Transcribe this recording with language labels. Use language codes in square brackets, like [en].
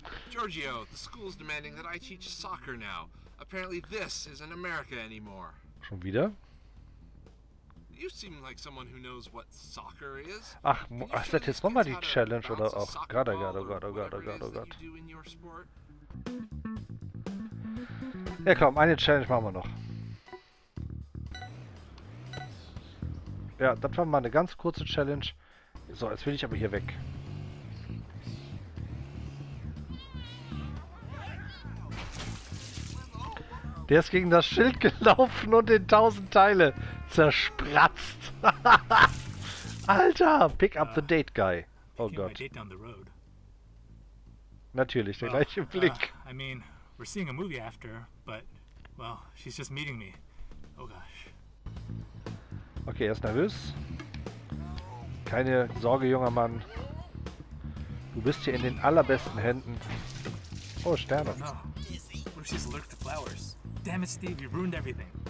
[en] Giorgio, the school is demanding that I teach soccer now. Apparently this isn't America anymore. [de] Schon wieder? [en] You seem like someone who knows what soccer is. [de] Ach, ist das jetzt nochmal die Challenge oder auch? Gott. Ja komm, eine Challenge machen wir noch. Ja, das war mal eine ganz kurze Challenge. So, jetzt will ich aber hier weg. Der ist gegen das Schild gelaufen und in tausend Teile zerspratzt. [en] Alter, pick up the date guy. [de] Oh Gott. [en] Date down the road. [de] Natürlich, der gleiche Blick. [en] I mean, we're seeing a movie after, but well, she's just meeting me. Oh gosh. [de] Okay, er ist nervös. Keine Sorge, junger Mann. Du bist hier in den allerbesten Händen. Oh, Sterne. [en] What if she's allergic to flowers? Damn it, Steve, you ruined everything.